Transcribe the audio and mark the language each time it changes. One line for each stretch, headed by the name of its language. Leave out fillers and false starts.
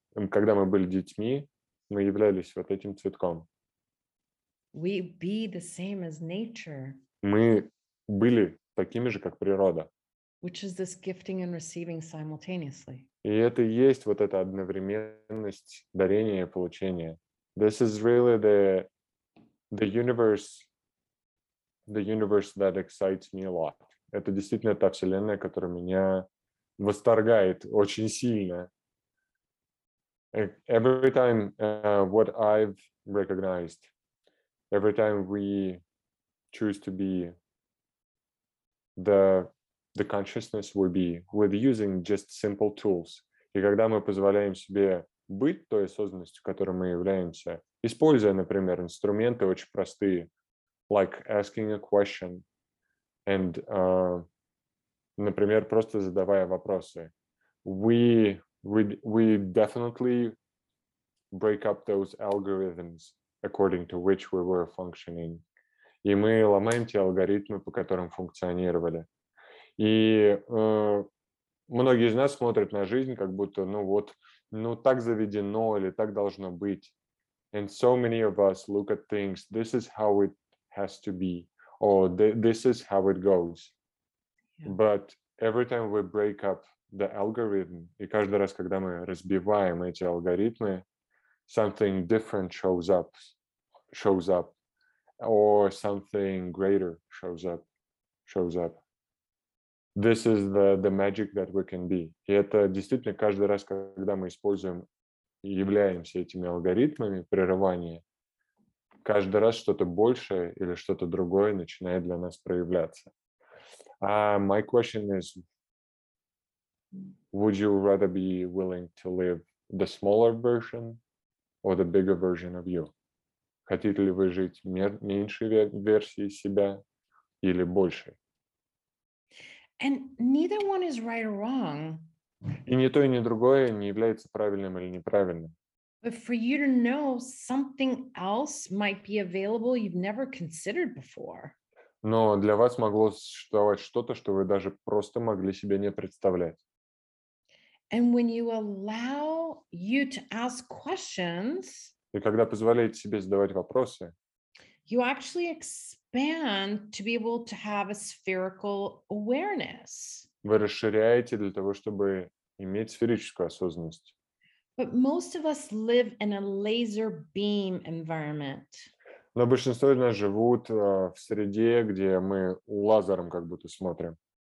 Russian: Когда мы были детьми, мы являлись вот этим цветком.
English: We be the same as nature.
Russian: Мы были такими же, как природа.
English: Which is this gifting and receiving simultaneously.
Russian: И это и есть вот эта одновременность дарения и получения.
English: This is really the universe that excites me a lot.
Russian: Это действительно та вселенная, которая меня восторгает очень сильно.
English: Every time what I've recognized, every time we choose to be the consciousness we be with using just simple tools.
Russian: И когда мы позволяем себе быть той осознанностью, которой мы являемся, используя, например, инструменты очень простые,
English: like asking a question, and,
Russian: например, просто задавая вопросы,
English: we definitely break up those algorithms according to which we were functioning.
Russian: И мы ломаем те алгоритмы, по которым функционировали. И многие из нас смотрят на жизнь, как будто, ну вот, ну так заведено или так должно быть.
English: And so many of us look at things, this is how it has to be, or this is how it goes. But every time we break up the algorithm,
Russian: и каждый раз, когда мы разбиваем эти алгоритмы,
English: something different shows up, or something greater shows up. This is the magic that we can be.
Russian: И это действительно каждый раз, когда мы используем, являемся этими алгоритмами прерывания, каждый раз что-то большее или что-то другое начинает для нас проявляться.
English: My question is, would you rather be willing to live the smaller version or the bigger version of you?
Russian: Хотите ли вы жить меньшей версией себя или большей?
English: And neither one is right or wrong.
Russian: И ни то, и ни другое не является правильным или неправильным.
English: But for you to know something else might be available you've never considered before.
Russian: Но для вас могло существовать что-то, что вы даже просто могли себе не представлять.
English: And when you allow you to ask questions,
Russian: и когда позволяете себе задавать вопросы,
English: you actually expand to be able to have a spherical awareness.
Russian: Вы расширяете для того, чтобы иметь сферическую осознанность.
English: But most of us live in a laser beam environment.
Russian: Но большинство из нас живут в среде, где мы лазером как будто смотрим.